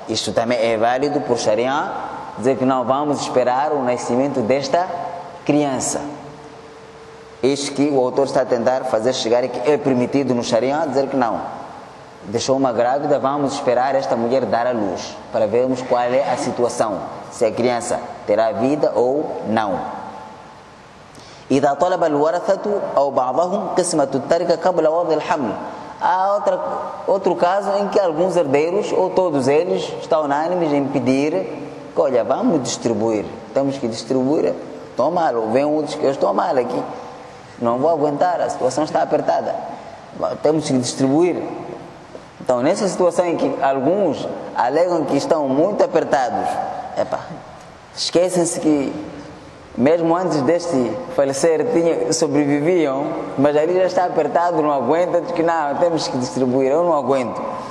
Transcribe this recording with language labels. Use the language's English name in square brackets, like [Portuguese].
[Portuguese] Isto também é válido por Sharia, dizer que não vamos esperar o nascimento desta criança. Isto que o autor está a tentar fazer chegar, e que é permitido no Sharia, dizer que não, deixou uma grávida, vamos esperar esta mulher dar a luz, para vermos qual é a situação, se a criança terá vida ou não. [Arabic] إذا طلب الورثة أو بعضهم قسمة التركة قبل وضع الحمل. [Portuguese] Há outro caso em que alguns herdeiros, ou todos eles, estão unânimes em pedir que, olha, vamos distribuir. Temos que distribuir. Estou mal. Ou vem outros que eu estou mal aqui. Não vou aguentar. A situação está apertada. Temos que distribuir. Então, nessa situação em que alguns alegam que estão muito apertados, epa, esquecem-se que mesmo antes deste falecer sobreviviam, mas ali já está apertado, não aguenta, diz que não, temos que distribuir, eu não aguento.